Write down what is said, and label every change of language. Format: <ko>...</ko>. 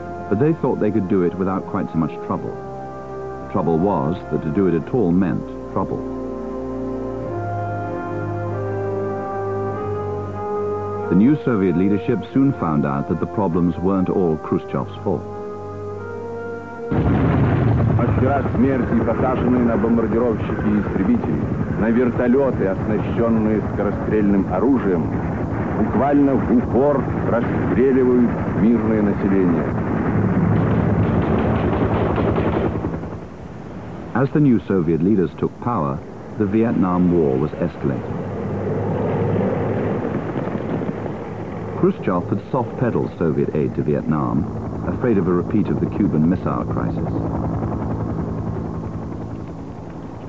<en>But they thought they could do it without quite so much trouble. Trouble was that to do it at all meant trouble. The new Soviet leadership soon found out that the problems weren't all Khrushchev's fault.</en> <ru>Мастера смерти, посаженные на бомбардировщики и истребители, на вертолеты, оснащенные скорострельным оружием, буквально в упор расстреливают мирное население.</ru> <en>As the new Soviet leaders took power, the Vietnam War was escalating. Khrushchev had soft-pedaled Soviet aid to Vietnam, afraid of a repeat of the Cuban Missile Crisis.</en>